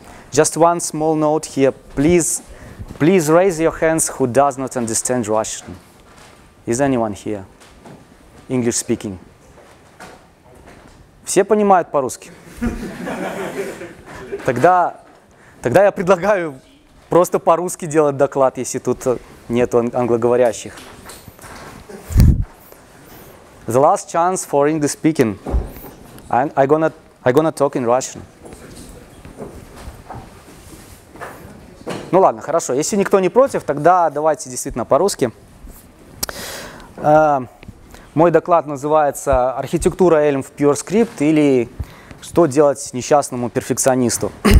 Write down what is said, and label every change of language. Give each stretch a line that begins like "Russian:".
English: Just one small note here. Please raise your hands who does not understand Russian. Is anyone here English speaking?
Russian: Все понимают по-русски? Тогда я предлагаю просто по-русски делать доклад, если тут нет англоговорящих.
English: The last chance for English speaking. I'm gonna talk in Russian.
Russian: Ну ладно, хорошо. Если никто не против, тогда давайте действительно по-русски. Мой доклад называется «Архитектура Elm в Pure Script» или «Что делать несчастному перфекционисту».